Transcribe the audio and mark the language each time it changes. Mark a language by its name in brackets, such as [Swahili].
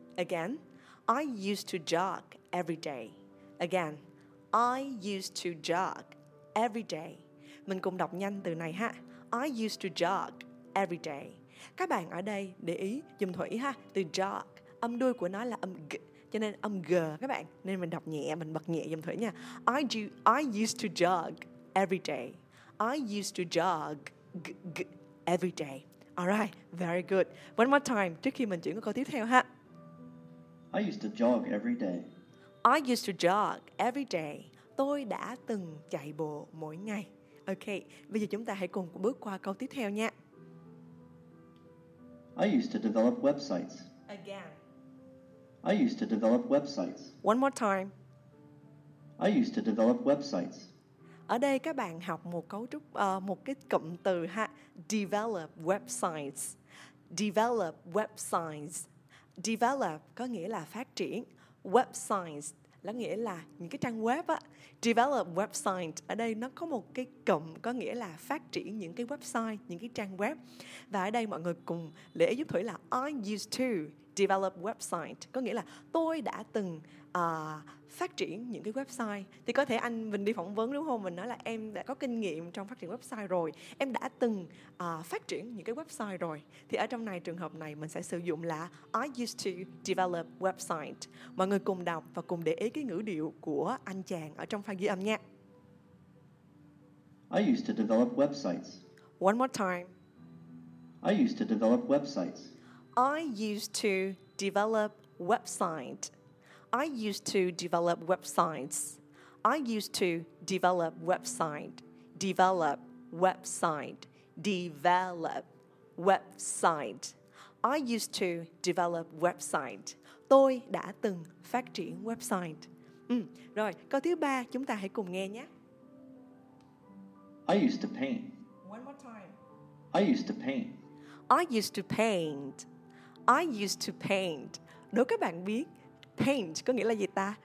[English] Again, I used to jog every day. Again, I used to jog every day. [Vietnamese] Mình cùng đọc nhanh từ này ha. [English] I used to jog every day. [Vietnamese] Các bạn ở đây để ý giùm Thuỷ ha. Từ jog, âm đuôi của nó là âm g, cho nên âm g các bạn. Nên mình đọc nhẹ, mình bật nhẹ giùm Thuỷ nha. [English] I used to jog every day. I used to jog g every day. Alright, very good. One more time, [Vietnamese] trước khi mình chuyển qua câu tiếp theo ha. [English] I used to jog every day. I used to jog every day. [Vietnamese] Tôi đã từng chạy bộ mỗi ngày. Ok, bây giờ chúng ta hãy cùng bước qua câu tiếp theo nha. [English] I used to develop websites. Again. I used to develop websites. One more time. I used to develop websites. [Vietnamese] Ở đây các bạn học một cấu trúc, một cái cụm từ ha, develop websites. Develop websites. Develop có nghĩa là phát triển. Websites là nghĩa là những cái trang web á. Develop websites. Ở đây nó có một cái cụm có nghĩa là phát triển những cái website, những cái trang web. Và ở đây mọi người cùng lưu ý giúp Thuỷ là [English] I used to develop website. [Vietnamese] Có nghĩa là tôi đã từng phát triển những cái website. Thì có thể anh mình đi phỏng vấn đúng không? Mình nói là em đã có kinh nghiệm trong phát triển website rồi. Em đã từng phát triển những cái website rồi. Thì ở trong này, trường hợp này mình sẽ sử dụng là [English] I used to develop website. [Vietnamese] Mọi người cùng đọc và cùng để ý cái ngữ điệu của anh chàng ở trong pha ghi âm nha. [English] I used to develop websites. One more time. I used to develop websites. I used to develop website. I used to develop websites. I used to develop website. Develop website. Develop website. I used to develop website. [Vietnamese] Tôi đã từng phát triển website. Rồi, câu thứ ba chúng ta hãy cùng nghe nhé. [English] I used to paint. One more time. I used to paint. I used to paint. I used to paint. [Vietnamese] Đố các bạn biết paint có nghĩa là gì ta?